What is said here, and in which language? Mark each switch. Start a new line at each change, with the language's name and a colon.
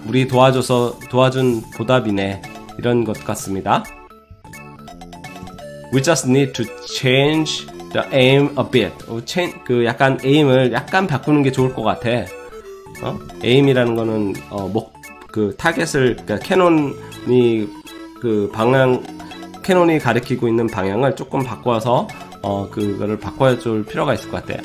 Korean: 우리 도와줘서, 도와준 보답이네. 이런 것 같습니다.
English: We just need to change the aim a bit.
Korean: 그 약간 aim을 약간 바꾸는 게 좋을 것 같아. 에임이라는 거는 그 타겟을, 그러니까 캐논이 그 방향, 캐논이 가리키고 있는 방향을 조금 바꿔서 그거를 바꿔 줄 필요가 있을 것 같아.